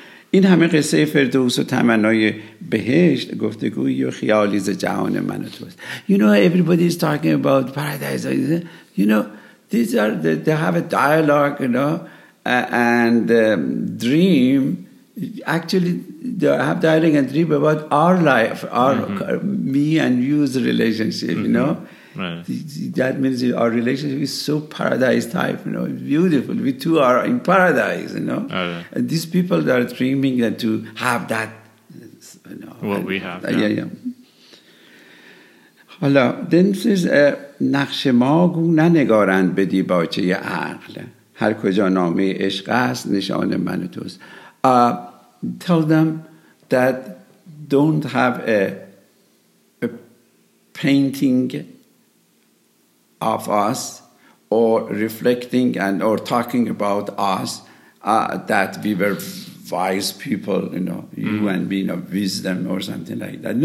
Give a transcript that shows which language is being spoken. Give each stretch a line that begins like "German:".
Persian: این همه قصه فردوس و تمنای بهشت گفتگوی و خیالی ز جهان من و توست.
English: You know, everybody is talking about paradise, you know, these are they have a dialogue, you know, and dream. Actually, I have dialogue and dream about our life, our me and you's relationship, you know. Right. That means our relationship is so paradise type, you know, beautiful. We two are in paradise, you know. Okay. And these people that are dreaming that to have that, you know. What and, we have. Yeah.
Persian: حالا,
English: then says,
Persian: نقش ما گو ننگارند به دیباچه عقل. هر کجا نامه عشق است نشان من و توست.
English: Tell them that don't have a painting of us or reflecting and or talking about us that we were wise people, you know, you and being of wisdom or something like that.